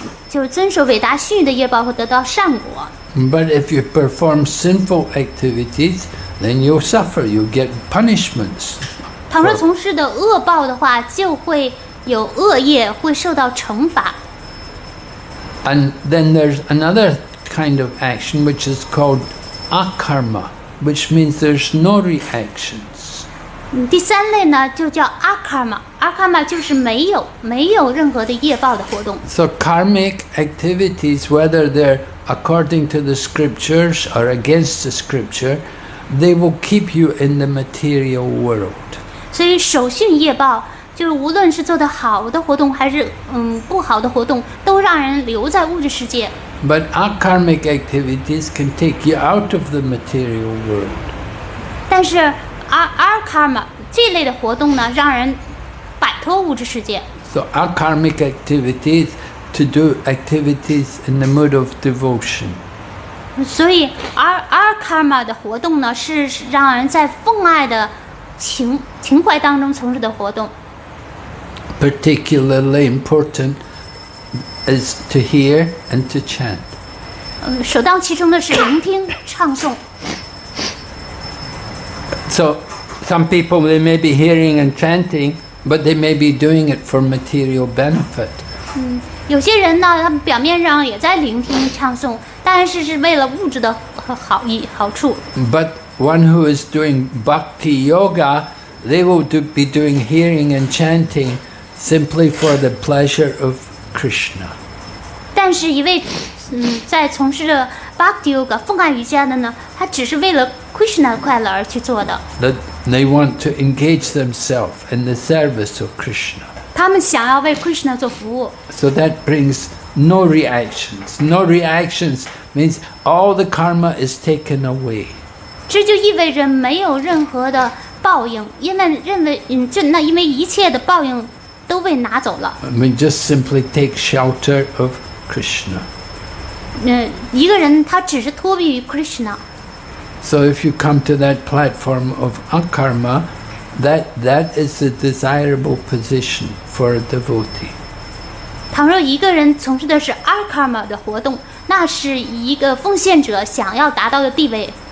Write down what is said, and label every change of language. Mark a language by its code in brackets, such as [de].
[zh] 从事如果从事的是功利性业报，那就会得到善果，就是遵守韦达训谕的业报会得到善果。 [en] But if you perform sinful activities, then you suffer, you get punishments. [zh] 倘若从事的恶报的话，就会有恶业，会受到惩罚。 [en] And then there's another kind of action which is called akarma, which means there's no reactions. [zh] 第三类呢，就叫 akarma. Akarma 就是没有任何的业报的活动。 [en] So karmic activities, whether they're according to the scriptures or against the scripture, they will keep you in the material world. [zh] 所以守信业报就是无论是做的好的活动还是不好的活动，都让人留在物质世界。 [en] But akarmic activities can take you out of the material world. [zh] 但是akarma 这类的活动呢，让人摆脱物质世界。 [en] So akarmic activities to do activities in the mood of devotion. [zh] 所以akarma 的活动呢，是让人在奉爱的情怀当中从事的活动。 [en] Particularly important is to hear and to chant. [zh] 首当其冲的是聆听唱诵。 [en] So, some people they may be hearing and chanting, but they may be doing it for material benefit. [zh] 有些人呢，他们表面上也在聆听唱诵，但是是为了物质的好意好处。 [en] But one who is doing bhakti yoga, they will be doing hearing and chanting. Simply for the pleasure of Krishna. [zh] 但是一位在从事着 Bhakti Yoga 奉爱瑜伽的呢，他只是为了 Krishna 的快乐而去做的。 [en] That they want to engage themselves in the service of Krishna. [zh] 他们想要为 Krishna 做服务。 [en] So that brings no reactions. No reactions means all the karma is taken away. [zh] 这就意味着没有任何的报应，因为一切的报应。都被拿走了。 [en] I mean, just simply take shelter of Krishna. [zh] 一个人他只是脱避于 Krishna. [en] So if you come to that platform of akarma, that is a desirable position for a devotee. [zh] 倘若一个人从事的是 akarma 的活动，那是一个奉献者想要达到的地位。